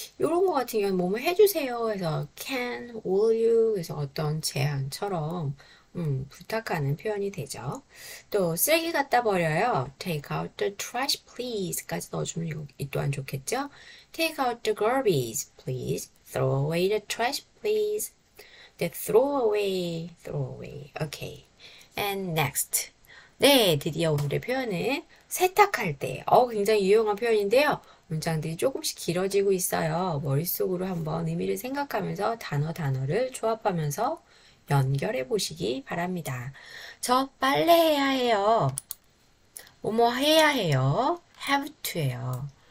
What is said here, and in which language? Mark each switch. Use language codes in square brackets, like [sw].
[ko] 이런 거 같은 경우는 뭐뭐 해주세요. 해서 [en] can, will you? [ko] 해서 어떤 제안처럼 부탁하는 표현이 되죠. 또 쓰레기 갖다 버려요. [en] Take out the trash, please. [ko] 까지 넣어주면 이 또한 좋겠죠? [en] Take out the garbage, please. Throw away the trash, please. The throw away, throw away. Okay. And next. [ko] 네, 드디어 오늘의 표현은 세탁할 때. 굉장히 유용한 표현인데요. 문장들이 조금씩 길어지고 있어요. 머릿속으로 한번 의미를 생각하면서 단어 단어를 조합하면서 연결해 보시기 바랍니다. 저 빨래해야 해요. 뭐뭐 해야 해요. have to예요.